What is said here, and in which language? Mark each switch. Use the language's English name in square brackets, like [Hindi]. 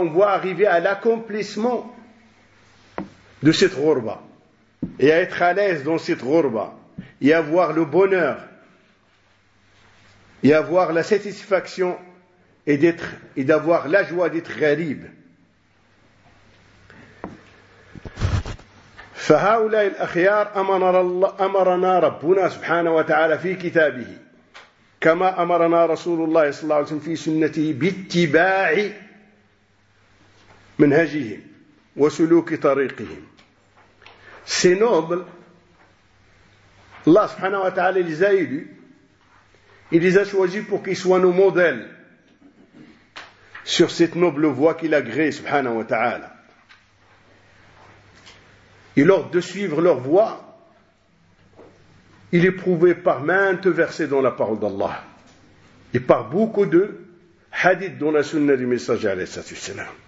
[French] On va arriver à l'accomplissement de cette ghurba. Et à être à l'aise dans cette ghurba. Et avoir le bonheur. Et avoir la satisfaction et d'avoir la joie d'être gharib. [Arabic] فَهَاوْلَا الْأَخْيَارِ أَمَرَنَا رَبُّنَا سُبْحَانَهُ وَتَعَالَى فِي كِتَابِهِ كما أمرنا رسول الله صلى الله عليه وسلم في سنته باتباع منهجهم وسلوك طريقهم. [French] Ces nobles, Allah [Arabic] subhanahu wa ta'ala [French] les a élus, il les a choisis pour qu'ils soient nos modèles sur cette noble voie qu'il a gréée subhanahu wa ta'ala. Et lors de suivre leur voie, il est prouvé par maintes versets dans la parole d'Allah et par beaucoup de hadith dans la sunna du messager [Arabic] alayhi salatu wassalam.